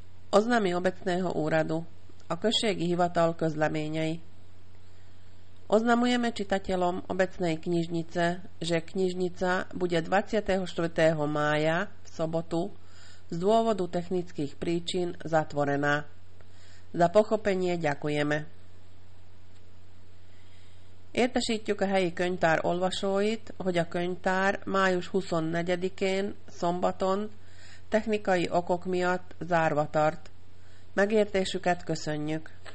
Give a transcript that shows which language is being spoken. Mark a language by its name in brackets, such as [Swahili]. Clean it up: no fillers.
[Slovak] Oznámy obecného úradu [Hungarian] a községi hivatal közleményei. [Slovak] Oznamujeme čitateľom obecnej knižnice, že knižnica bude 24. mája v sobotu z dôvodu technických príčin zatvorená. Za pochopenie ďakujeme. [Hungarian] Értesítjük a helyi könyvtár olvasóit, hogy a könyvtár május 24-én szombaton technikai okok miatt zárva tart. Megértésüket köszönjük.